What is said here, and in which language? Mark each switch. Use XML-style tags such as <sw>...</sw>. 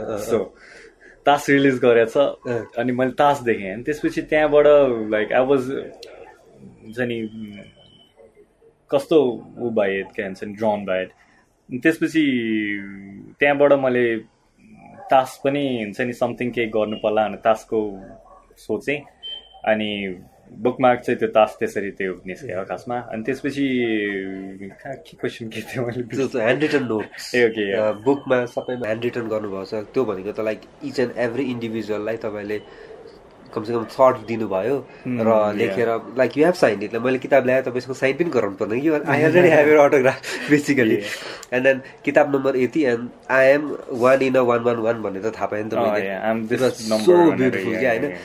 <ne>So तास release गरेछ अनि मैले तास देखेँ, अनि त्यसपछि त्यहाँबाट</ne> <en>like I was</en> <ne>हुन्छ नि कस्तो ऊ भए के भन्छ नि ड्रन भए. त्यसपछि त्यहाँबाट मैले तास पनि हुन्छ नि समथिङ केही गर्नु पर्ला भनेर तासको सोचेँ, अनि बुकमार्क चाहिँ त्यो तास त्यसरी त्यो निस्क्यो खासमा. अनि त्यसपछि कहाँ के क्वेसन के थियो मैले,</ne> <en>hand written note ए okay,</en> <ne>बुकमा सबैमा ह्यान्ड रिटन गर्नुभएको छ, त्यो भनेको त लाइक इच एन्ड एभ्री इन्डिभिजुअललाई तपाईँले कमसेकम थट दिनुभयो र लेखेर,</ne> <en>Like you have signed it.</en> <ne>मैले किताब ल्याएँ तपाईँसँग साइन पनि गराउनु पर्ने कि,</ne> <en>I already have your autograph basically, and then</en> <ne>किताब नम्बर यति,</ne> <en>and I am 111</en> <ne>भन्ने त थाहा पाएँ नि त मैले,</ne> <en>so beautiful</en> <ne>क्या होइन.</ne>